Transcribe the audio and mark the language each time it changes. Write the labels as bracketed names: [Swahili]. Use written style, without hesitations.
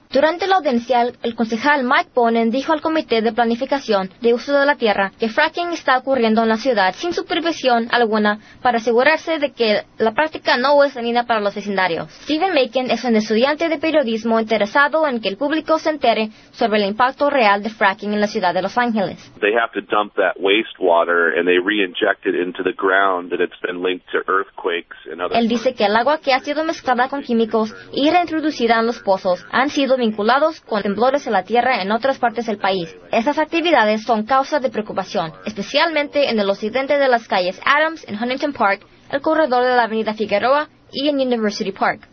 [Spanish] Durante la audiencia, el concejal Mike Bonin dijo al Comité de Planificación de Uso de la Tierra que fracking está ocurriendo en la ciudad sin supervisión alguna para asegurarse de que la práctica no es dañina para los vecindarios. Stephen Macon es un estudiante de periodismo interesado en que el público se entere sobre el impacto real de fracking en la ciudad de Los Ángeles. [English] They have to dump that wastewater and they re-inject it into the ground and it's been linked to earthquakes and other... [Spanish] Él dice que el agua que ha sido mezclada con químicos y reintroducida en los pozos han sido vinculados con temblores en la tierra en otras partes del país. Estas actividades son causa de preocupación, especialmente en el occidente de las calles Adams en Huntington Park, el corredor de la avenida Figueroa y en University Park.